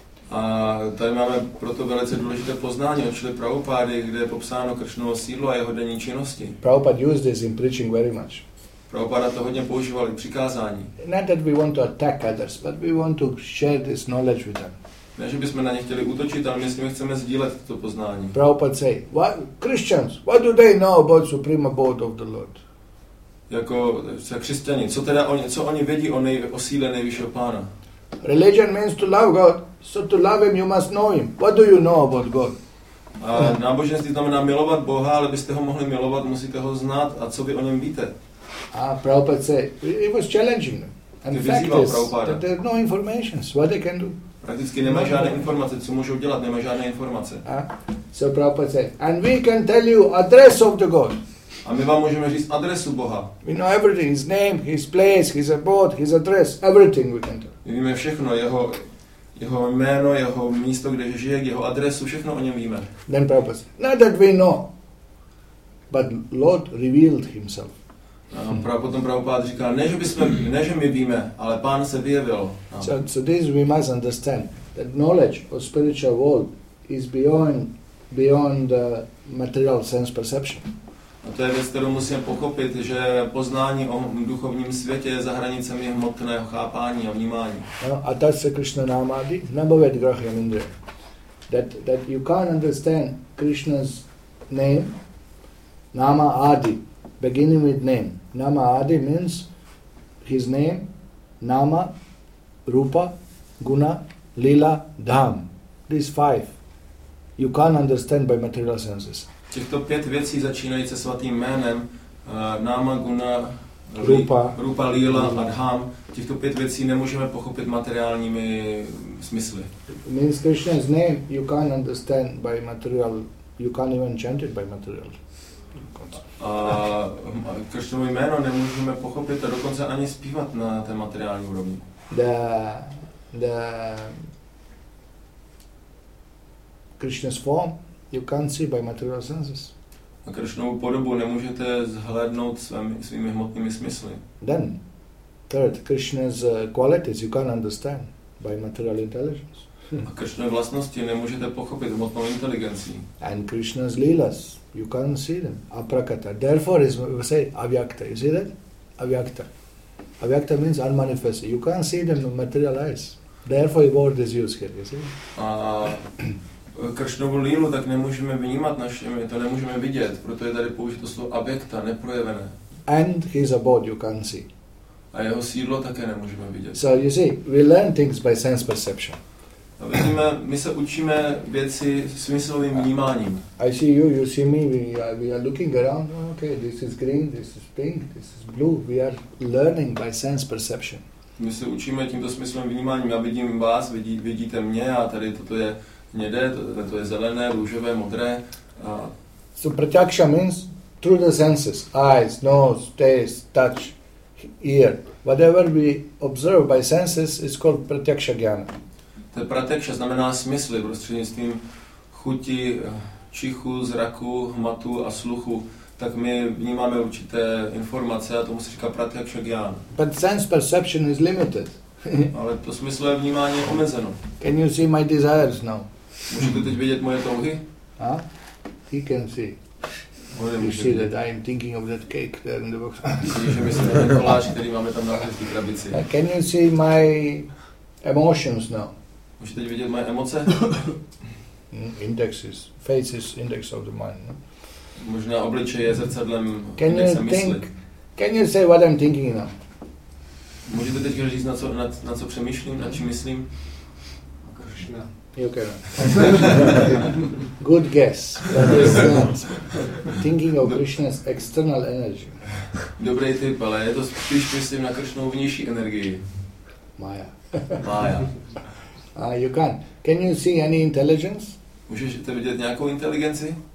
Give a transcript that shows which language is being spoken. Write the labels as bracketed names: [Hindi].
[Czech] A tady máme proto velice důležité poznání od Srila Prabhupády, kde je popsáno Krishnovo sídlo a jeho denní činnosti. [English] Prabhupada used this in preaching very much. [Czech] Prabhupada to hodně používal i přikázání. [English] Not that we want to attack others, but we want to share this knowledge with them. [Czech] Ne, že bychom na ně chtěli útočit, ale my s nimi chceme sdílet to poznání. [English] Prabhupada say, what Christians, what do they know about supreme abode of the Lord? [Czech] Jako křesťani, co teda oni, co oni vědí o o síle nejvyššího pána? [English] Religion means to love God, so to love him you must know him. What do you know about God? [Czech] A náboženství znamená milovat Boha, ale byste ho mohli milovat, musíte ho znát, a co vy o něm víte? [English] A Prabhupada say, it was challenging. And [Czech] vyzýval [English] Prabhupada. There are no informations, what they can do. [Czech] Prakticky nemá žádné informace, co můžou dělat, nemá žádné informace. [English] So Prabhupada said, and we can tell you address of the God. [Czech] A my vám můžeme říct adresu Boha. [English] We know everything, his name, his place, his abode, his address, everything we can tell. [Czech] My víme všechno, jeho jméno, jeho místo, kde žije, jeho adresu, všechno o něm víme. [English] Then Prabhupada said, not that we know, but Lord revealed himself. [Czech] Potom Prabhupada říká, že my víme, ale Pán se vyjevil. [English] So this we must understand, that knowledge of spiritual world is beyond the material sense perception. [Czech] A to je věc, kterou musíme pochopit, že poznání o duchovním světě je za hranicemi hmotného chápání a vnímání. A to se [Sanskrit] Krishna námádi, nabavet grahyam indriyam. [English] That you can't understand Krishna's name, nama adi, beginning with name. Nama Adi means his name, Nama, Rupa, Guna, Lila, Dham. These five you can't understand by material senses. [Czech] Těchto pět věcí začínají se svatým jménem, Nama, Guna, Rupa, Lila a Dham. Těchto pět věcí nemůžeme pochopit materiálními smysly. [English] It means Krishna's name you can't understand by material, you can't even chant it by material. [Czech] A Krštovo jméno nemůžeme pochopit a dokonce ani zpívat na té materiální úrovni. [English] The Krishna's form you can't see by material senses. [Czech] A Krishnovu podobu nemůžete zhlédnout svými hmotnými smysly. [English] Then, third, Krishna's qualities you can't understand by material intelligence. [Czech] A Krishna vlastnosti nemůžete pochopit hmotnou inteligencí. [English] And Krishna's lilas you can't see them. Aprakata. Therefore, is we say avyakta. You see that? Avyakta. Avyakta means unmanifested. You can't see them materialize. Therefore, the word is used here. You see? [Czech] Krishnovu lílu tak nemůžeme vnímat našimi, to nemůžeme vidět, proto je tady použito slovo avyakta, neprojevené. [English] And his abode you can't see. [Czech] A jeho sídlo také nemůžeme vidět. [English] So you see, we learn things by sense perception. [Czech] A vidíme, my se učíme věci smyslovým vnímáním. [English] I see you, you see me, we are looking around, okay, this is green, this is pink, this is blue, we are learning by sense perception. [Czech] My se učíme tímto smyslovým vnímáním, já vidím vás, vidíte mě a tady toto je hnědé, toto je zelené, růžové, modré. A... [English] So pratyaksha means through the senses, eyes, nose, taste, touch, ear, whatever we observe by senses is called pratyaksha jnana. [Czech] To pratyaksha znamená smysly, prostřednictvím chuti, čichu, zraku, hmatu a sluchu, tak my vnímáme určité informace a tomu se říká pratyaksha jnana. [English] But sense perception is limited. [Czech] Ale to smyslové vnímání je omezeno. [English] Can you see my desires now? [Czech] Můžete teď vidět moje touhy? [English] He can see. [Czech] Můžete [English] you see that I am thinking of that cake there in the box. [Czech] Že myslím na ten koláč, který máme tam na hezký krabici. [English] Can you see my emotions now? [Czech] Můžete teď vidět moje emoce? [English] Indexes. Face is index of the mind. No? [Czech] Možná obličej je zrcadlem [English] can indexa mysli. Can you say what I'm thinking now? [Czech] Můžete teď říct, na co přemýšlím, na čím myslím? [English] Krishna. You can. Good guess. That is not thinking of Krishna's external energy. [Czech] Dobrý tip, ale je to spíš myslím na Krishnovu vnější energii. [English] Maya. [Czech] Maya. [English] You can. Can you see any intelligence? [Czech] Můžeš to vidět nějakou inteligenci?